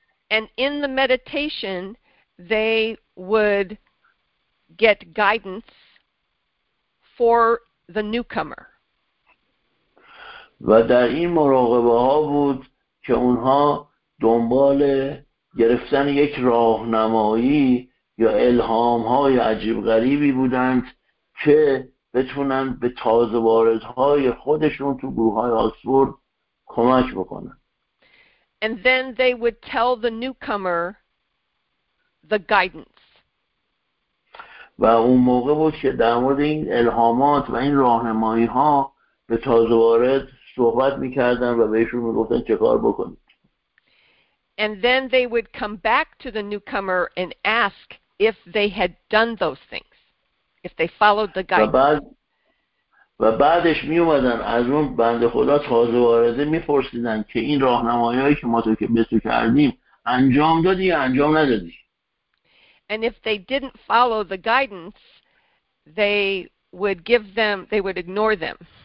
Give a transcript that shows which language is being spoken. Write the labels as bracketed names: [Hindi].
[English] And in the meditation they would get guidance for the newcomer. [Persian] و در این مراقبه ها بود که اونها دنبال گرفتن یک راهنمایی یا الهام های عجیب غریبی بودند که بتونن به تازه واردهای خودشون تو گروه های آکسفورد کمک بکنن. [English] And then they would tell the newcomer the guidance. [Persian] و اون موقع بود که در مورد این الهامات و این راهنمایی ها به تازه وارد صحبت میکردن و بهشون میگفتن چه کار بکنید. [English] And then they would come back to the newcomer and ask if they had done those things. If they followed the guidance. [Persian] و بعدش می اومدن از اون بنده خدا تازه وارده میپرسیدن که این راهنمایی که ما تو که بتو کردیم انجام دادی یا انجام ندادی. [English] And if they didn't follow the guidance, they would ignore them.